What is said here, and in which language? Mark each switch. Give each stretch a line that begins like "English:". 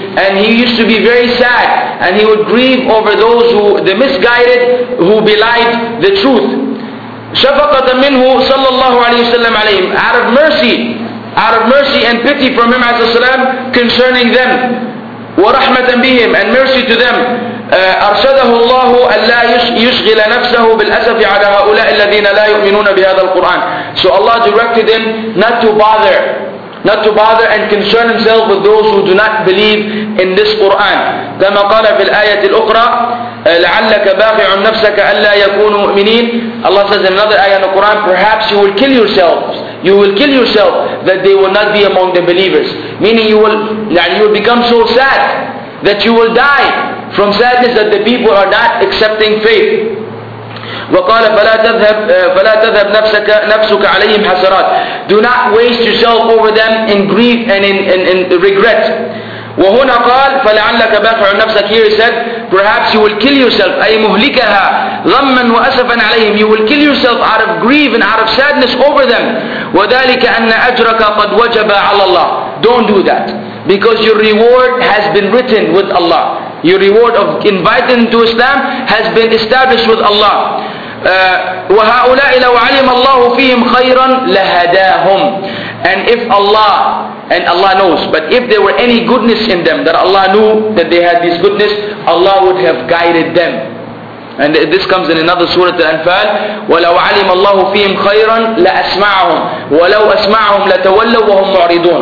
English: And he used to be very sad, and he would grieve over those who, the misguided, who belied the truth.
Arabic: شَفَقَةً مِنْهُ صَلَّى اللَّهُ عَلَيْهِ وَسَلَّمْ عَلَيْهِمْ.
English: Out of mercy and pity from him
Arabic: عليه السلام
English: concerning them.
Arabic: وَرَحْمَةً بِهِمْ,
English: and mercy to them.
Arabic: أَرْشَدَهُ اللَّهُ أَلَّا يُشْغِلَ نَفْسَهُ بِالْأَسَفِ عَلَى هَؤُلَاءِ الَّذِينَ لَا يُؤْمِنُونَ بِهَذَا الْقُرْآنِ.
English: So Allah directed him not to bother not to bother and concern himself with those who do not believe in this Quran.
Arabic: كما قال في الآية الأخرى لعلك باقع نفسك ألا يكونوا مؤمنين.
English: Allah says in another ayah in the Quran, perhaps you will kill yourselves. You will kill yourself that they will not be among the believers. Meaning you will become so sad that you will die from sadness that the people are not accepting faith.
Arabic: وقال فلا تذهب نفسك عليهم حسرات.
English: Do not waste yourself over them in grief and in regret.
Arabic: وهنا قال فلعلك باقع نفسك.
English: Here he said, perhaps you will kill yourself.
Arabic: أي مهلكها غما وأسفا عليهم.
English: You will kill yourself out of grief and out of sadness over them.
Arabic: وذلك أن أجرك قد وجب على الله.
English: Don't do that. Because your reward has been written with Allah. Your reward of inviting to Islam has been established with Allah.
Arabic: وهؤلاء لو علم الله فيهم خيرا لهداهم.
English: And if Allah, and Allah knows, but if there were any goodness in them, that Allah knew that they had this goodness, Allah would have guided them. And this comes in another surah, Al-Anfal.
Arabic: وَلَوْ عَلِمَ اللَّهُ فِيهِمْ خَيْرًا لَأَسْمَعَهُمْ وَلَوْ أَسْمَعَهُمْ لَتَوَلَّوْا وَهُمْ مُعْرِضُونَ.